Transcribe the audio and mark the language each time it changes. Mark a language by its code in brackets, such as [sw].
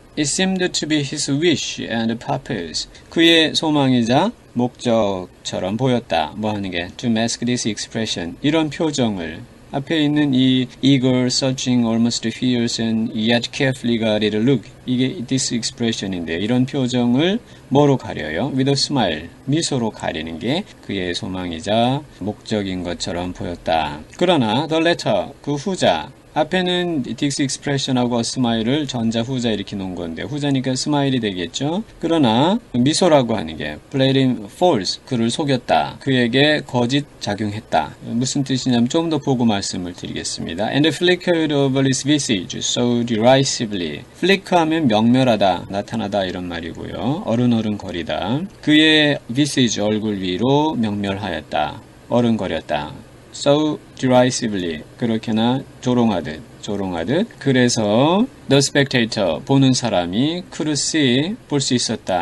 [en] It seemed to be his wish and purpose. [ko] 그의 소망이자 목적처럼 보였다. 뭐 하는 게? [en] To mask this expression. [ko] 이런 표정을. 앞에 있는 이 [en] eager, searching, almost fierce, and yet carefully guarded look. [ko] 이게 [en] this expression [ko] 인데, 이런 표정을 뭐로 가려요? [en] With a smile. [ko] 미소로 가리는 게 그의 소망이자 목적인 것처럼 보였다. 그러나, [en] the letter, [ko] 그 후자. 앞에는 [en] this expression [ko] 하고 [en] a smile [ko] 을 전자 후자 이렇게 놓은 건데, 후자니까 smile이 되겠죠? 그러나, 미소라고 하는 게, [en] played him false, [ko] 그를 속였다. 그에게 거짓 작용했다. 무슨 뜻이냐면, 좀더 보고 말씀을 드리겠습니다. [en] And flickered over his visage so derisively. [ko] flick 하면 명멸하다, 나타나다, 이런 말이고요. 어른어른거리다. 그의 visage, 얼굴 위로 명멸하였다. 어른거렸다. [en] So derisively, [ko] 그렇게나 조롱하듯, 조롱하듯. 그래서, [en] the spectator, [ko] 보는 사람이, [en] could see, [ko] 볼수 있었다.